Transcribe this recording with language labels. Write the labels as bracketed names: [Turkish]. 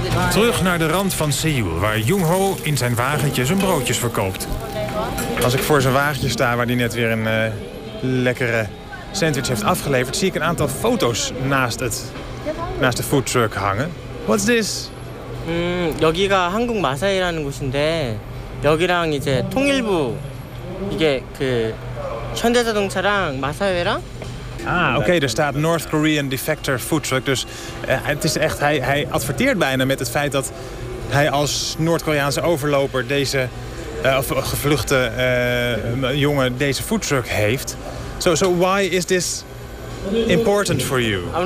[Dutch] Terug naar de rand van Seoul, waar Jung-ho in zijn wagentje zijn broodjes verkoopt. Als ik voor zijn wagentje sta, waar hij net weer een lekkere sandwich heeft afgeleverd, zie ik een aantal foto's naast de foodtruck hangen. [English] What's this? [Korean] 여기가 한국 마사이라는 곳인데 여기랑 이제 통일부 이게 그 현대자동차랑 마사회랑. [Dutch] Oké, er staat [English] North Korean Defector Food Truck. [Dutch] Dus het is echt, hij adverteert bijna met het feit dat hij als Noord-Koreaanse overloper deze gevluchte jongen deze food truck heeft. [English] So why is this important for you?